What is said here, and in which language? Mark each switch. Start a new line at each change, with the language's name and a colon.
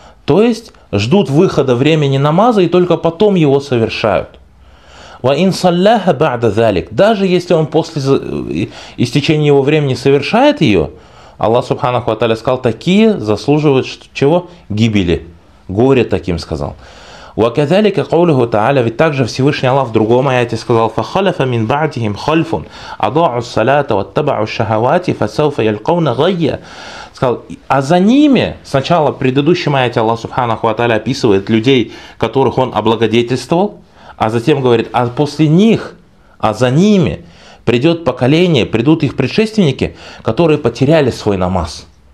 Russian: То есть ждут выхода времени намаза и только потом его совершают.
Arabic: وَإِنْ صَلَّهَ بَعْدَ ذَلِكَ.
Russian: Даже если он после истечения его времени совершает ее, Аллах субханаху ва тааля сказал, такие заслуживают чего? Гибели. Горе таким сказал.
Arabic: وَكَذَلِكَ قَوْلُهُ تَعَالَى.
Russian: Ведь также Всевышний Аллах в другом аяте сказал,
Arabic: فَخَلَفَ مِنْ بَعْدِهِمْ خَلْفٌ أَضَاعُوا الصَّلَاةَ وَاتَّبَعُوا الشَّهَوَاتِ فَسَوْفَ يَلْقَوْنَ غَيًّا.
Russian: Сказал, а за ними, сначала в предыдущем аяте Аллах субханаху ва тааля описывает людей, которых он облагодетельствовал, а затем говорит, а после них, а за ними придет поколение, придут их предшественники, которые потеряли свой намаз.